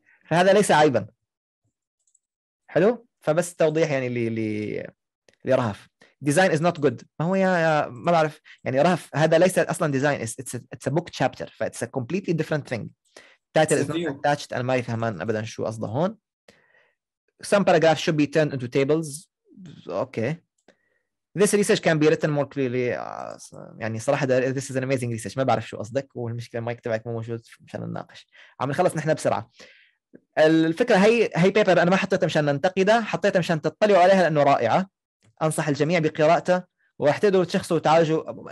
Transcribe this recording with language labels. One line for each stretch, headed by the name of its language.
Arabic: فهذا ليس عيبا، حلو. فبس توضيح يعني اللي رهف
English: design is not good،
Arabic: ما هو يا ما بعرف يعني رهف هذا ليس اصلا design،
English: it's a book chapter it's a completely different thing. title is not attached and
Arabic: ما يفهمان ابدا شو قصده هون.
English: some paragraphs should be turned into tables. okay this research can be written more clearly.
Arabic: يعني صراحة
English: this is an amazing research،
Arabic: ما بعرف شو قصدك، والمشكلة المايك تبعك مو موجود مشان نناقش. عم نخلص نحن بسرعة. الفكرة هي paper انا ما حطيتها مشان ننتقده، حطيتها مشان تطلعوا عليها لانه رائعة، انصح الجميع بقراءته وراح تقدروا تشخصوا وتعالجوا.